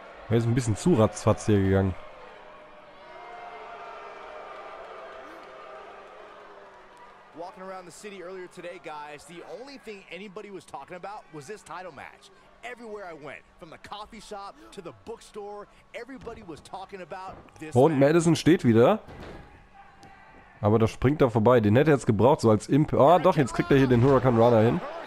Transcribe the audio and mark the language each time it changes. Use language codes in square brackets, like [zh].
[de] Er ist ein bisschen zu ratzfatz hier gegangen. [en] Walking around the city earlier today, guys, the only thing anybody was talking about was this title match. Everywhere I went, from the coffee shop to the bookstore, everybody was talking about this. [de] Und Madison steht wieder. Aber da springt er vorbei. Den hätte er jetzt gebraucht, so als Imp. Ah, doch, jetzt kriegt er hier den Hurricane Runner hin.